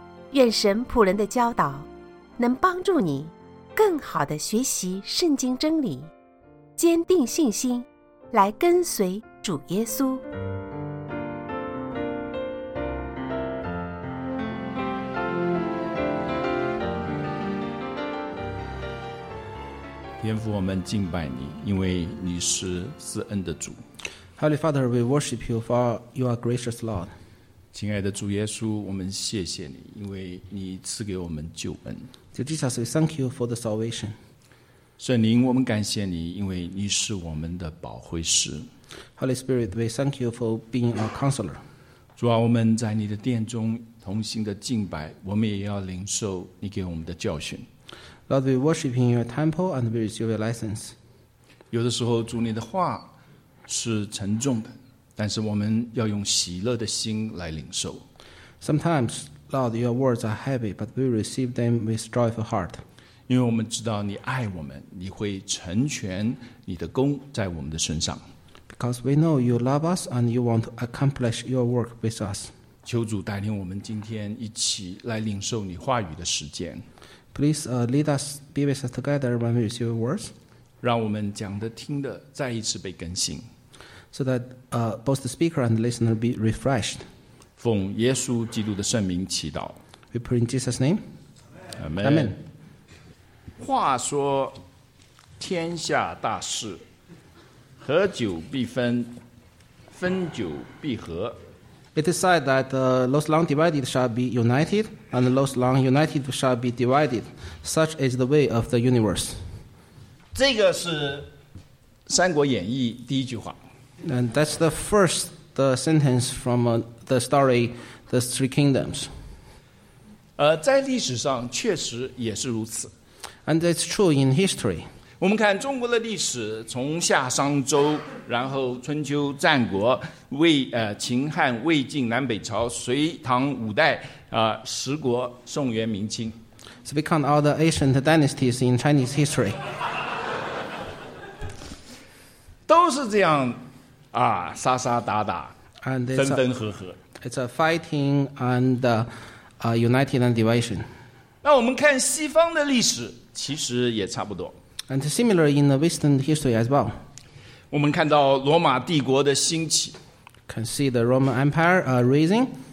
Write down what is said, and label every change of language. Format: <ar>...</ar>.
<zh>愿神仆人的教导能帮助你更好地学习圣经真理，坚定信心来跟随主耶稣。天父，我们敬拜你，因为你是慈恩的主。</zh> <en>Holy Father, we worship you for you are gracious Lord.</en> <zh>亲爱的主耶稣，我们谢谢你，因为你赐给我们救恩。</zh> <en>Dear Jesus, we thank you for the salvation.</en> <zh>圣灵，我们感谢你，因为你是我们的保惠师。</zh> <en>Holy Spirit, we thank you for being our counselor.</en> <zh>主啊，我们在你的殿中同心的敬拜，我们也要领受你给我们的教训。</zh> <en>Lord, we worship in your temple and we receive a license.</en> <zh>有的时候主你的话是沉重的，但是我们要用喜乐的心来领受。</zh> <en>Sometimes, Lord, your words are heavy, but we receive them with joyful heart.</en> <zh>因为我们知道你爱我们，你会成全你的功在我们的身上。</zh> <en>Because we know you love us and you want to accomplish your work with us.</en> <zh>求主带领我们今天一起来领受你话语的时间。</zh> <en>Please lead us, be with us together when we receive words.</en> <zh>让我们讲的听的再一次被更新。</zh> <en>So that both the speaker and the listener be refreshed.</en> <zh>奉耶稣基督的圣名祈祷。</zh> <en>We pray in Jesus' name. Amen. Amen.</en> <zh>话说天下大事，合久必分，分久必合。</zh> <en>It is said that those long divided shall be united, and those long united shall be divided. Such is the way of the universe.</en> <zh>这个是《三国演义》第一句话。</zh> <en>And that's the first sentence from the story, The Three Kingdoms.</en> <zh>在历史上确实也是如此。</zh> <en>And it's true in history.</en> <zh>我们看中国的历史，从夏商周，然后春秋战国，秦汉、魏晋、南北朝、隋唐五代，十国、宋元明清。</zh> <en>So we count all the ancient dynasties in Chinese history.</en> <zh>都是这样啊，杀杀打打，</zh> <en>and</en> <zh>分分合合。</zh> <en>It's a fighting and united and division.</en> <zh>那我们看西方的历史，其实也差不多。</zh> <en>And similar in the Western history as well.</en> <zh>我们看到罗马帝国的兴起。</zh> <en>Can see the Roman Empire rising,</en>